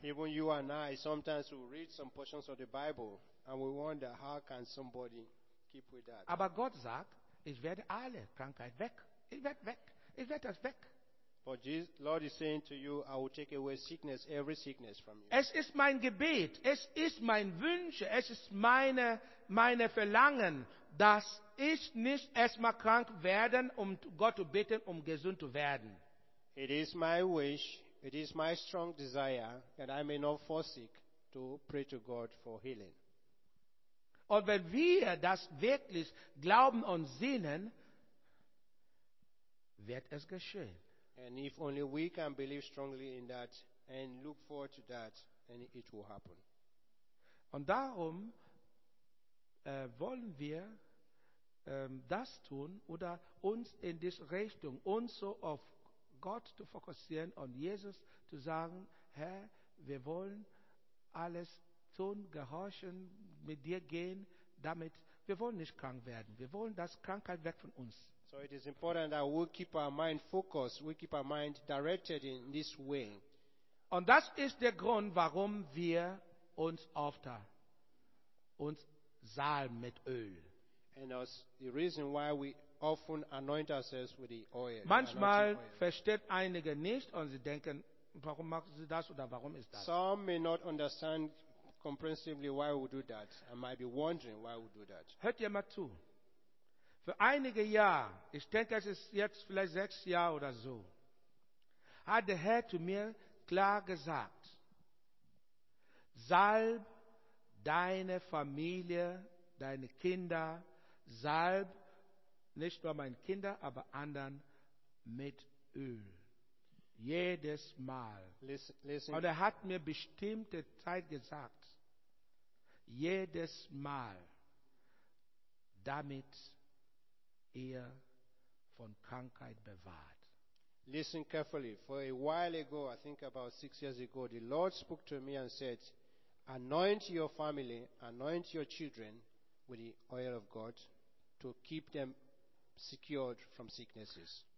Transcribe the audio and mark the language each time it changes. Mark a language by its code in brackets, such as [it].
[en] Even you and I, sometimes we read some portions of the Bible and we wonder, how can somebody keep with that? [de] Aber Gott sagt, ich werde alle Krankheit weg. Ich werde weg. [en] Is that a fact? But Jesus, Lord is saying to you, I will take away sickness, every sickness from you. [de] Es ist mein Gebet, es ist mein Wunsch, es ist meine Verlangen, dass ich nicht erstmal krank werde, Gott zu bitten, gesund zu werden. [en] It is my wish, it is my strong desire, that I may not forsake to pray to God for healing. [de] Und wenn wir das wirklich glauben und sehnen, wird es geschehen. [en] And if only we can believe strongly in that and look forward to that, then it will happen. [de] Und darum wollen wir das tun oder uns in diese Richtung, uns so auf Gott zu fokussieren und Jesus zu sagen, Herr, wir wollen alles tun, gehorchen, mit dir gehen, damit wir wollen nicht krank werden. Wir wollen das Krankheit weg von uns. [en] So it is important that we keep our mind focused, we keep our mind directed in this way. [de] Und das ist der Grund, warum wir uns oft uns salben mit Öl. [en] And that's the reason why we often anoint ourselves with the oil. [de] Manchmal versteht einige nicht und sie denken, warum machen sie das oder warum ist das? [en] Some may not understand comprehensively why we do that and might be wondering why we do that. [de] Hört ihr mal zu. Für einige Jahre, ich denke, es ist jetzt vielleicht 6 Jahre oder so, hat der Herr zu mir klar gesagt, salb deine Familie, deine Kinder, salb nicht nur meine Kinder, aber anderen mit Öl. Jedes Mal. [en] Listen. [de] Und er hat mir bestimmte Zeit gesagt, jedes Mal, damit ihr von Krankheit bewahrt. [en] Listen carefully. For a while ago, I think about 6 years ago, the Lord spoke to me and said, anoint your family, anoint your children with the oil of God to keep them secured from sicknesses.